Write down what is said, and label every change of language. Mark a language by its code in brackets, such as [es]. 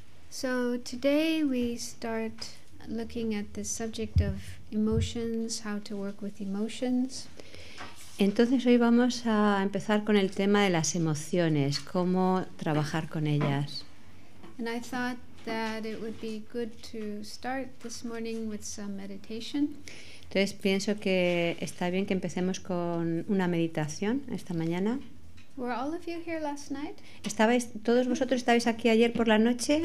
[en] So today we start looking at the subject of emotions, how to work with emotions. [es] Entonces hoy vamos a empezar con el tema de las emociones, cómo trabajar con ellas. [en] And I thought that it would be good to start this morning with some meditation. [es] Entonces pienso que está bien que empecemos con una meditación esta mañana. [en] Were all of you here last night? [es] ¿Estabais todos vosotros estabais aquí ayer por la noche?